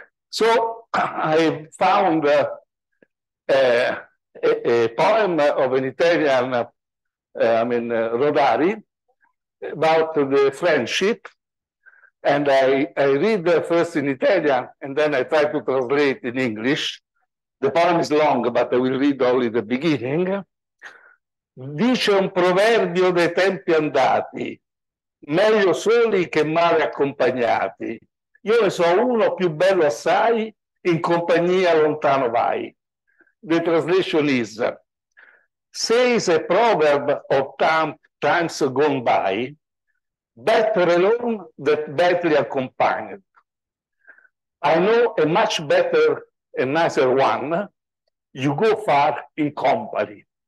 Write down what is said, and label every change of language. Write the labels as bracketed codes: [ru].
[en] So I found a poem of an Italian, Rodari, about the friendship. And I read the first in Italian, and then I try to translate in English. The poem is long, but I will read only the beginning. [it] Dice un proverbio dei tempi andati, meglio soli che male accompagnati. Io ne so uno più bello assai, in compagnia lontano vai. [en] The translation is, says a proverb of times gone by, better alone than badly accompanied. I know a much better and nicer one, you go far in company.